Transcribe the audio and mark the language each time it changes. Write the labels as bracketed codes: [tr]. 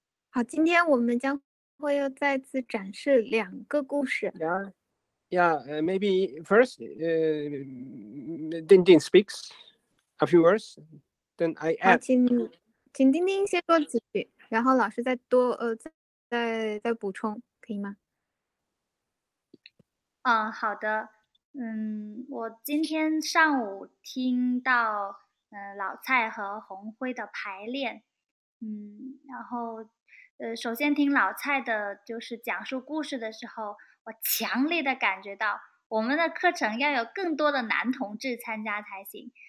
[zh] 好，今天我们将会又再次展示两个故事。 [en] Maybe first, Dingding speaks a few words, then I add. [zh] 好，请丁丁先说几句，然后老师再多再补充，可以吗？好的。我今天上午听到老蔡和红辉的排练，然后首先听老蔡的就是讲述故事的时候，我强烈的感觉到我们的课程要有更多的男同志参加才行。